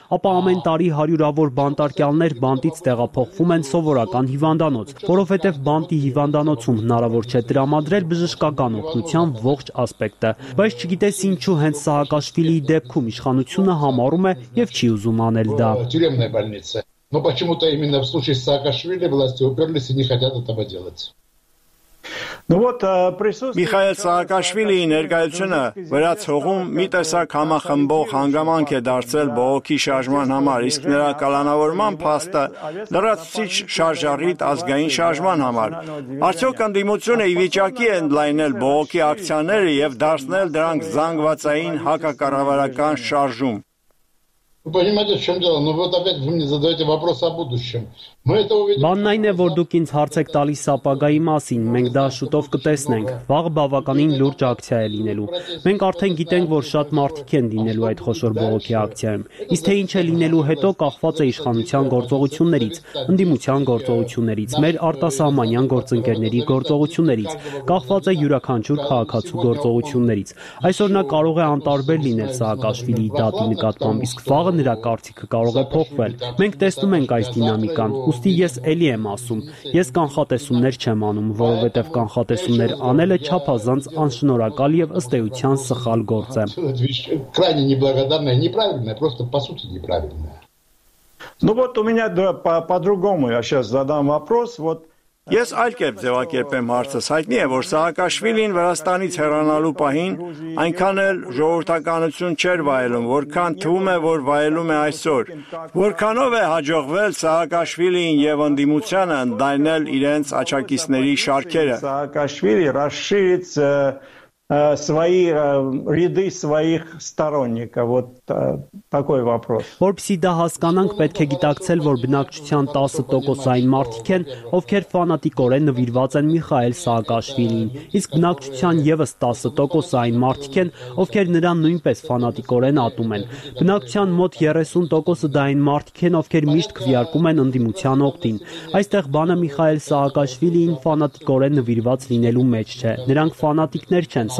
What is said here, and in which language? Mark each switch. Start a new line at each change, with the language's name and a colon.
Armenian: ապա ամեն տարի հարյուրավոր բանտարկյալներ բանտից տեղափոխվում են սովորական հիվանդանոց, որովհետև բանտի հիվանդանոցում հնարավոր չէ տրամադրել բժշկական օգնության ողջ ասպեկտը։ Բայց չգիտես ինչու հենց Սաակաշվիլիի դեպքում իշխանությունը համարում է և չի ուզում անել льда.
Russian: Тюремная больница. Но почему-то именно в случае с Саакашвили власти уперлись и не хотят этого делать.
Armenian: Միխայել Սաակաշվիլիի ներկայությունը վերացողում մի տեսակ համախմբող հանգամանք է դարձել բողոքի շարժման համար, իսկ նրա կալանավորման փաստը լրացուցիչ շարժառիթ ազգային շարժման համար։ Արդյոք ընդդիմությունը ի վիճակի է ընդլայնել բողոքի ակցիաները և դարձնել դրանք զանգվածային հակակառավարական շարժում։
Russian: Вы понимаете, в чем дело? Но вот опять вы мне задаете вопрос о будущем.
Armenian: Բանն այն է, որ դուք ինձ հարց եք տալիս ապագայի մասին, մենք դա շուտով կտեսնենք, վաղ բավականին լուրջ ակցիա է լինելու։ Մենք արդեն գիտենք, որ շատ մարդիկ են լինելու այդ խոշոր բողոքի ակցիայում, իսկ թե ինչ է լինելու հետո կախված է իշխանության գործողություններից, ընդդիմության գործողություններից, մեր արտասահմանյան գործընկերների գործողություններից, կախված է յուրաքանչյուր քաղաքացու գործողություններից։ Այսօր նա կարող է անտարբեր լինել Սաակաշվիլիի դատի նկատմամբ, իսկ վաղը նրա կարծիքը կարող է փոխվել։ Մենք տեսնում ենք այս դինամիկան։ Ուստի ես էլի եմ ասում, ես կանխատեսումներ չեմ անում, որովհետև կանխատեսումներ անելը չափազանց անշնորհակալ եւ ըստ էության սխալ գործ է։
Russian: Крайне неблагодарное, неправильное, просто по сути неправильное. Ну вот у меня по-другому я сейчас задам вопрос, вот
Armenian: ես այլ կերպ ձևակերպեմ հարցս, հայտնի է, որ Սաակաշվիլին Վրաստանից հեռանալու պահին այնքան էլ ժողովրդականություն չէր վայելում, որքան թվում է, որ վայելում է այսօր։ Որքանով է հաջողվել Սաակաշվիլին և ընդդիմությանը ընդդայնել իրենց աչակիցների շարքերը։
Russian: Սաակաշվիլի расширить свои ряды своих сторонников, вот такой вопрос.
Armenian: Որպեսզի դա հասկանանք, պետք է գիտակցել, որ բնակչության 10% այն մարդիկ են, ովքեր ֆանատիկորեն նվիրված են Միխայել Սաակաշվիլին, իսկ բնակչության եւս 10% այն մարդիկ են, ովքեր նրան նույնպես ֆանատիկորեն ատում են։ Բնակչության մոտ 30% դա այն մարդիկ են, ովքեր միշտ քվիարկում են ընդդիմության օգտին։ Այստեղ բանը Միխայել Սաակաշվիլին ֆանատիկորեն նվիրված լինելու մեջ չէ, նրանք ֆանատիկներ չեն,